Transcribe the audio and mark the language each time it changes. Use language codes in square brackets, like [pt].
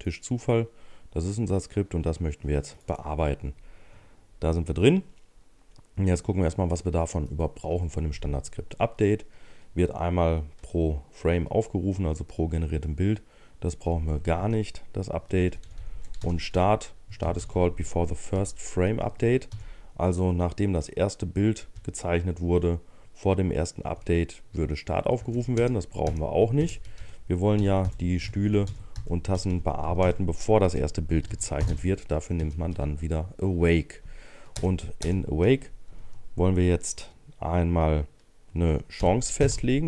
[de] Tisch-Zufall, das ist unser Skript und das möchten wir jetzt bearbeiten. Da sind wir drin. Und jetzt gucken wir erstmal, was wir davon überhaupt brauchen von dem Standardskript. Update wird einmal pro Frame aufgerufen, also pro generiertem Bild. Das brauchen wir gar nicht, das Update. Und Start. [en] Start is called before the first frame update. [de] Also nachdem das erste Bild gezeichnet wurde, vor dem ersten Update würde Start aufgerufen werden. Das brauchen wir auch nicht. Wir wollen ja die Stühle und Tassen bearbeiten, bevor das erste Bild gezeichnet wird. Dafür nimmt man dann wieder Awake. Und in Awake wollen wir jetzt einmal eine Chance festlegen.